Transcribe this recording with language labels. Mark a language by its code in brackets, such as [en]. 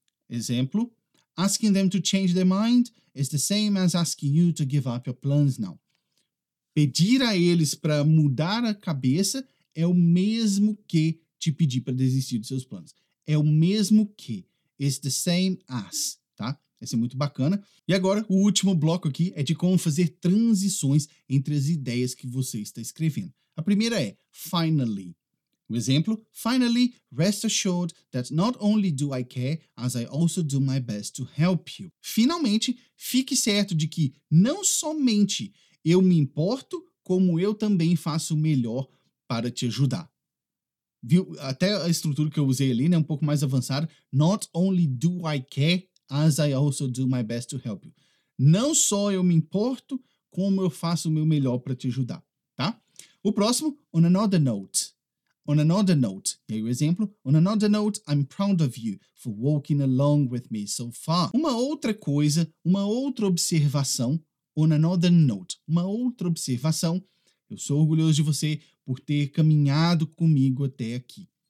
[pt] Exemplo, [en] asking them to change their mind is the same as asking you to give up your plans now. [pt] Pedir a eles para mudar a cabeça é o mesmo que te pedir para desistir dos seus planos. É o mesmo que. [en] It's the same as, tá? Esse é muito bacana. [pt] E agora, o último bloco aqui é de como fazer transições entre as ideias que você está escrevendo. A primeira é, finally. O exemplo, [en] finally, rest assured that not only do I care, as I also do my best to help you. [pt] Finalmente, fique certo de que não somente eu me importo, como eu também faço o melhor para te ajudar. Viu? Até a estrutura que eu usei ali, né? Um pouco mais avançada. [en] Not only do I care, as I also do my best to help you. [pt] Não só eu me importo, como eu faço o meu melhor para te ajudar, tá? O próximo, [en] on another note. On another note. [pt] E aí o exemplo, [en] on another note, I'm proud of you for walking along with me so far. [pt] Uma outra coisa, uma outra observação, [en] on another note. [pt] Uma outra observação, eu sou orgulhoso de você por ter caminhado comigo até aqui.